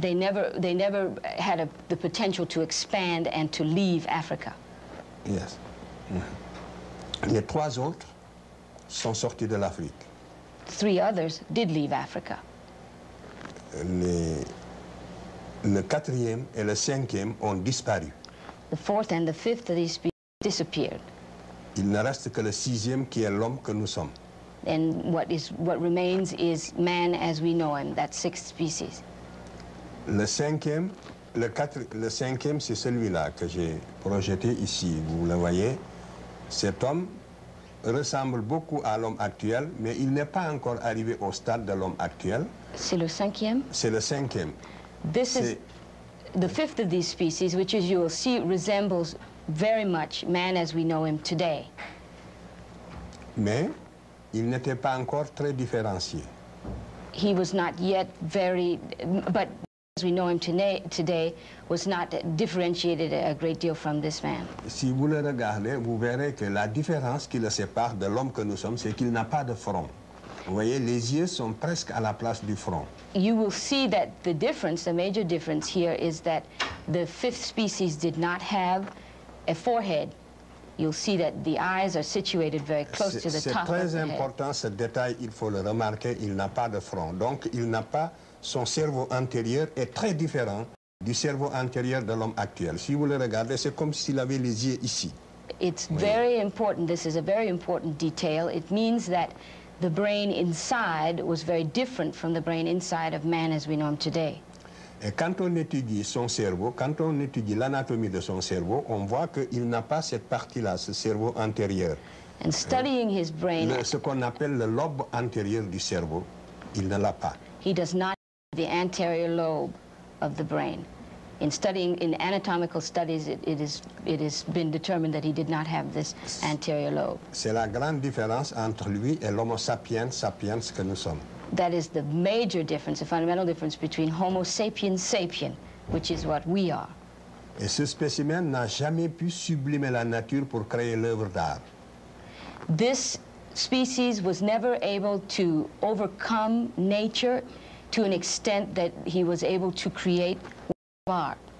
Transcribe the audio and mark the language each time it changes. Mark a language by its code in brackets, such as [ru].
[en] They never had the potential to expand and to leave Africa. Yes. [fr] Les trois autres sont sortis de l'Afrique. [en] Three others did leave Africa. [fr] Le quatrième et le cinquième ont disparu. [en] The fourth and the fifth of these species disappeared. [fr] Il ne reste que le sixième qui est l'homme que nous sommes. [en] then what remains is man as we know him, that sixth species. [fr] Le cinquième, c'est celui-là que j'ai projeté ici. Vous le voyez, cet homme ressemble beaucoup à l'homme actuel, mais il n'est pas encore arrivé au stade de l'homme actuel. C'est le cinquième? C'est le cinquième. [en] This is the fifth of these species, which, as you will see, resembles very much man as we know him today. [fr] Mais il n'était pas encore très différencié. [en] He was not yet very, but as we know him today, was not differentiated a great deal from this man. [fr] Si vous le regardez, vous verrez que la différence qui le sépare de l'homme que nous sommes, c'est qu'il n'a pas de front. Vous voyez, les yeux sont presque à la place du front. [en] You will see that the difference, the major difference here, is that the fifth species did not have a forehead. You'll see that the eyes are situated very close to the top of the head. [fr] C'est très important ce détail, il faut le remarquer, il n'a pas de front. Donc il n'a pas, son cerveau antérieur est très différent du cerveau antérieur de l'homme actuel. Si vous le regardez, c'est comme s'il avait les yeux ici. [en] It's very important, this is a very important detail. It means that the brain inside was very different from the brain inside of man as we know him today. [fr] Et quand on étudie son cerveau, quand on étudie l'anatomie de son cerveau, on voit qu'il n'a pas cette partie-là, ce cerveau antérieur. [en] And studying his brain, [fr] ce qu'on appelle le lobe antérieur du cerveau, il ne l'a pas. [en] He does not have the anterior lobe of the brain. In studying, in anatomical studies, it has been determined that he did not have this anterior lobe. [fr] C'est la grande différence entre lui et l'homo sapiens sapiens que nous sommes. [en] That is the major difference, the fundamental difference between Homo sapiens sapiens, which is what we are. [fr] Et ce spécimen n'a jamais pu sublimer la nature pour créer l'œuvre d'art. [en] This species was never able to overcome nature to an extent that he was able to create work of art.